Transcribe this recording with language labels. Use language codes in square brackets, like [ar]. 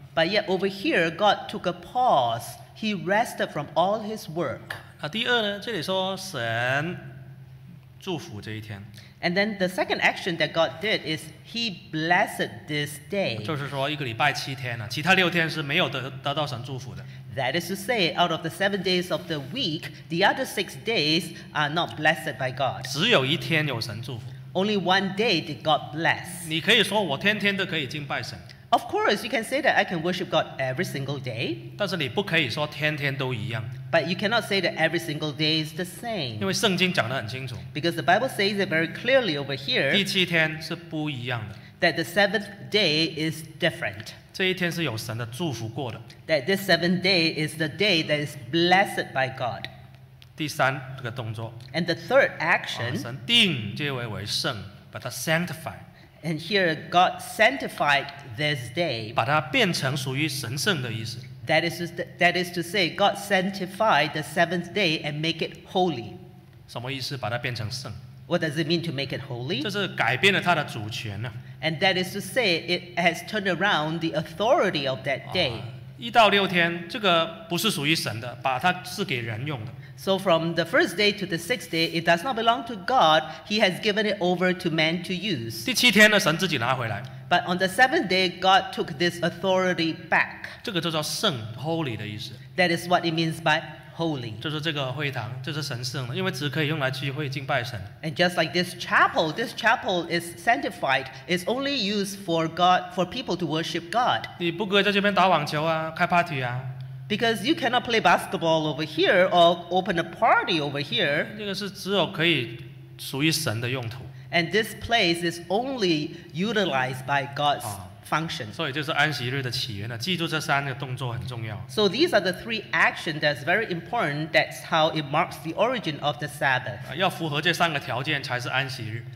[en] But yet over here, God took a pause. He rested from all his work. [zh] 第二呢，这里说神祝福这一天。 [en] And then the second action that God did is He blessed this day. [zh] 就是说，一个礼拜七天呢，其他六天是没有得到神祝福的。 [en] That is to say, out of the 7 days of the week, the other 6 days are not blessed by God. [zh] 只有一天有神祝福。 [en] Only one day did God bless. [zh] 你可以说我天天都可以敬拜神。 [en] Of course, you can say that I can worship God every single day. [zh] 但是你不可以说天天都一样。 [en] But you cannot say that every single day is the same. [zh] 因为圣经讲得很清楚。 [en] Because the Bible says it very clearly over here. [zh] 第七天是不一样的。 [en] That the seventh day is different. [zh] 这一天是有神的祝福过的。 [en] That this seventh day is the day that is blessed by God. [zh] 第三个动作。 [en] And the third action. [zh] 神定这位为圣，把它sanctify。 [en] And here, God sanctified this day. [zh] 把它变成属于神圣的意思。 [en] That is to say, God sanctified the seventh day and make it holy. [zh] 什么意思?把它变成圣。 [en] What does it mean to make it holy? [zh] 就是改变了它的主权。 [en] And that is to say, it has turned around the authority of that day. [zh] 1到6天, 这个不是属于神的, 把它赐给人用的。 [en] So from the first day to the sixth day, it does not belong to God. He has given it over to man to use. [zh] 第七天呢, 神自己拿回来。 [en] But on the seventh day, God took this authority back. [zh] 这个就叫圣, holy的意思。 [en] That is what it means by holy. [zh] 就是这个会堂, 这是神圣的, 因为只可以用来聚会敬拜神。 [en] And just like this chapel is sanctified. It's only used for God, for people to worship God. [zh] 你不可以在这边打网球啊, 开party啊。 [en] Because you cannot play basketball over here or open a party over here. And this place is only utilized by God's function. [zh] 所以就是安息日的起源了，记住这三个动作很重要。 [en] So these are the three actions that's very important. That's how it marks the origin of the Sabbath. [zh] 要符合这三个条件才是安息日。